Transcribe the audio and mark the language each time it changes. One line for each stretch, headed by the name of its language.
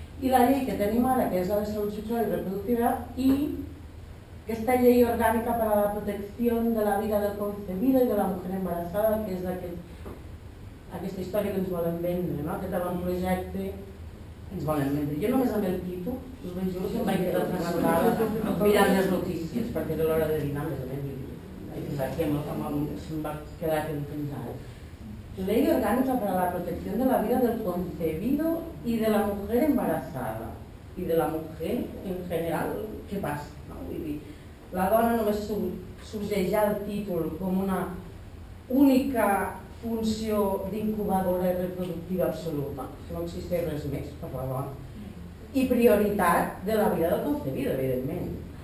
Catalan: I la llei que tenim ara, que és la de salut sexual i reproductiva, i aquesta llei orgànica per a la protecció de la vida
Spanish: del concebido
Catalan: i
Spanish: de la mujer embarassada,
Catalan: que és aquesta història que ens volen vendre, no? Aquest avantprojecte ens volen vendre. Jo només amb el títol, us ben juro que em vaig quedar trasllada mirant les notícies, perquè era l'hora de dinar, més o menys, i fins aquí em va quedar aquí pensant.
Spanish: Ley orgánica para la protección de la vida del concebido y de la mujer embarazada y de la mujer en general, ¿qué pasa?
Catalan: No, vull dir, la dona només subjeja el títol com una única funció d'incubadora reproductiva absoluta, no existeix res més per la dona, i prioritat de la vida
Spanish: del concebido,
Catalan: evidentment.